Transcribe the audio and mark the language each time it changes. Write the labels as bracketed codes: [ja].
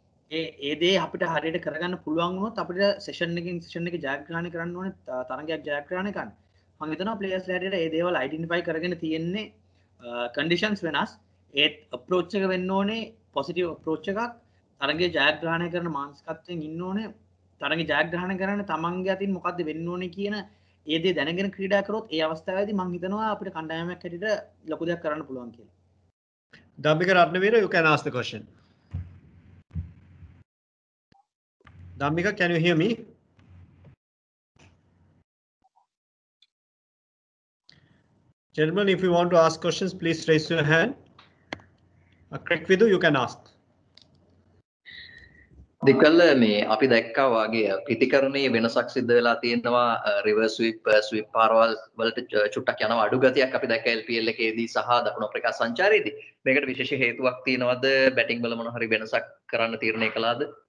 [si] ඒ දේ අපිට හරියට කරගන්න පුළුවන් වුණොත් අපිට session එක ජයග්‍රහණය කරන්න ඕනේ තරගයක් ජයග්‍රහණය කරන්න මම හිතනවා ප්ලේයර්ස්ලා හැටියට ඒ දේවල් identify කරගෙන තියෙන්නේ conditions වෙනස් ඒ approach එක වෙන්න ඕනේ positive approach එකක් තරගයේ ජයග්‍රහණය කරන මානසිකත්වයෙන් ඉන්න ඕනේ තරගයේ ජයග්‍රහණය කරන්න තමන්ගේ අතින් මොකද්ද වෙන්න ඕනේ කියන ඒ දේ දැනගෙන ක්‍රීඩා කරොත් ඒ අවස්ථාවේදී මම හිතනවා අපිට කණ්ඩායමක් හැටියට ලොකු දෙයක් කරන්න පුළුවන් කියලා. [en] Dhammika Ratnaweera you can ask the question. Dhammika can you hear me? Gentlemen, if you want to ask questions, please raise your hand. Craig Vidhu, you can ask. [si] දෙකල්ල මේ අපි දැක්කා වාගේ ප්‍රතිකරණයේ වෙනසක් සිද්ධ වෙලා තියෙනවා රිවර්ස් ස්විප් ස්විප් පාරවල් වලට චුට්ටක් යනවා අඩු ගතියක් අපි දැක්කා LPL එකේදී සහ දකුණු අප්‍රිකා සංචාරයේදී මේකට විශේෂ හේතුවක් තියෙනවද බැටින් වල මොන හරි වෙනසක් කරන්න තීරණය කළාද